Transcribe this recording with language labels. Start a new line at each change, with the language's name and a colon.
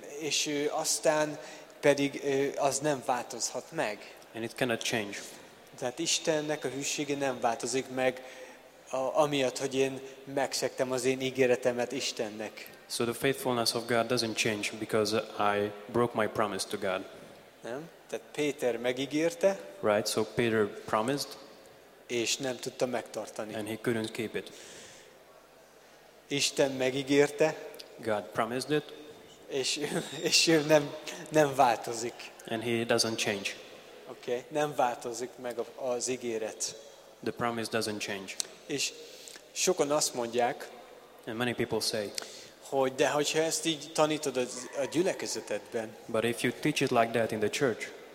Hungarian: És aztán pedig az nem változhat meg.
English: And it cannot change.
Hungarian: Tehát Istennek a hűsége nem változik meg, amiatt, hogy én megszegtem az én ígéretemet Istennek.
English: So the faithfulness of God doesn't change because I broke my promise to God.
Hungarian: Nem? Tehát Péter megígérte.
English: Right, so Peter promised.
Hungarian: És nem tudta megtartani.
English: And he couldn't keep it.
Hungarian: Isten megígérte.
English: God promised it.
Hungarian: És ő nem változik.
English: And he doesn't change.
Hungarian: Okay, nem változik meg az ígéret.
English: The promise doesn't change.
Hungarian: És sokan azt mondják,
English: and many people say,
Hungarian: hogy de hogyha ezt így tanítod a gyülekezetedben,
English: but if you teach it like that in the church,